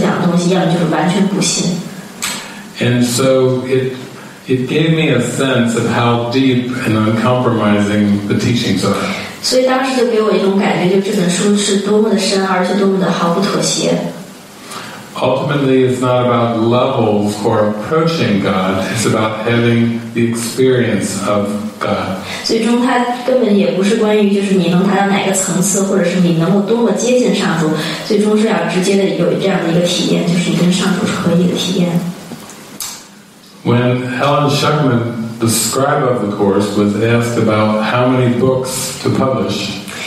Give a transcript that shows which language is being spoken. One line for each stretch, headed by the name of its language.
Chinese: 他当时在奇迹课程里面说你要么就是完全的相信这本书里所讲的东西要么就是完全不信
English: And so it gave me a sense of how deep and uncompromising the teachings are
Chinese: 所以当时就给我一种感觉就这本书是多么的深而且多么的毫不妥协
English: Ultimately, it's not about levels or approaching God. It's about having the experience of God. When Helen Schuckman, the scribe of the course, was asked about how many books to publish,